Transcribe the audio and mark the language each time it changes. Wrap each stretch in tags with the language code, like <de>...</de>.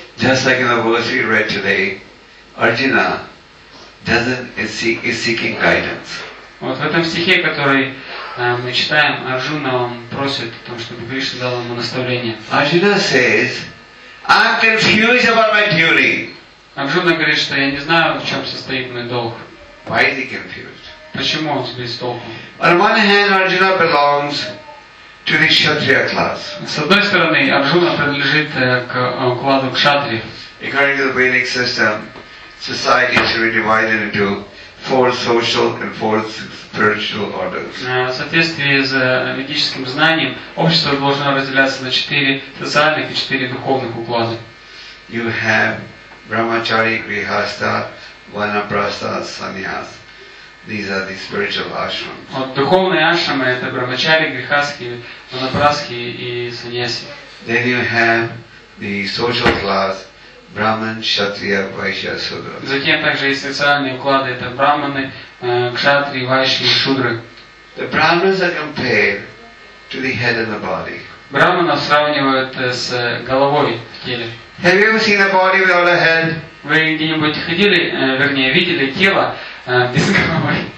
<en>Just like in the verse we read today, Arjuna is seeking guidance.</en> <ru>Вот в этом стихе, который мы читаем, Арджуна он просит о том, чтобы Кришна дал ему наставление.</ru> <en>Arjuna says, I'm confused about my duty.</en> <ru>Арджуна говорит, что я не знаю, в чем состоит мой долг.</ru> <en>Why is he confused?</en> <ru>Почему он сбит с толку?</ru> <en>On one hand, Arjuna belongs to the Kshatriya class.</en> <ru>С одной стороны, Арджуна принадлежит к укладу Кшатри.</ru> <en>According to the Vedic system, society should be divided into four social and four spiritual orders.</en> <ru>В соответствии с ведическим знанием, общество должно разделяться на четыре социальных и четыре духовных уклада.</ru> <en>You have Brahmachari, Grihastha, Vanaprastha, Sannyas. These are the spiritual ashrams.</en> <ru>Вот духовные ашрамы это Брахмачари, Грихасхи, Ванапрасхи и Саньяси.</ru> <en>Then you have the social class, Brahman, Kshatriya, Vaishya, Shudra.</en> <ru>Затем также есть социальные уклады, это Брахманы, Кшатри, Вайши и Шудры.</ru> <en>The Brahmanas are compared to the head and the body.</en> <ru>Брахманов сравнивают с головой в теле.</ru> <en>Have you ever seen a body without a head?</en> <ru>Вы где-нибудь ходили, вернее, видели тело без головы?</ru>